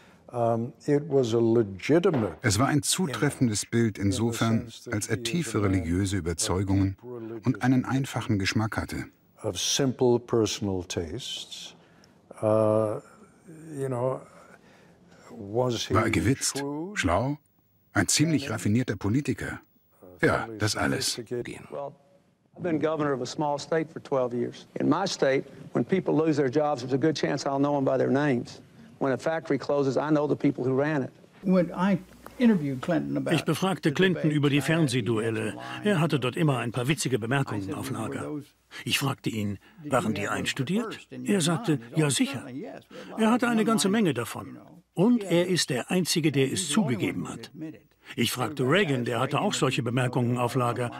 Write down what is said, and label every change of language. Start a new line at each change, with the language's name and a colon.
German: Es war ein zutreffendes Bild insofern, als er tiefe religiöse Überzeugungen und einen einfachen Geschmack hatte.
English: Of simple personal tastes, was
German: war er gewitzt, schlau, ein ziemlich raffinierter Politiker. Ja, das alles.
English: I've been governor of a small state for 12 years. In my state, when people lose their jobs, there's a good chance I'll know them by their names. When a factory closes, I know the people who ran it.
German: Ich befragte Clinton über die Fernsehduelle. Er hatte dort immer ein paar witzige Bemerkungen auf Lager. Ich fragte ihn, waren die einstudiert? Er sagte, ja sicher. Er hatte eine ganze Menge davon. Und er ist der Einzige, der es zugegeben hat. Ich fragte Reagan, der hatte auch solche Bemerkungen auf Lager.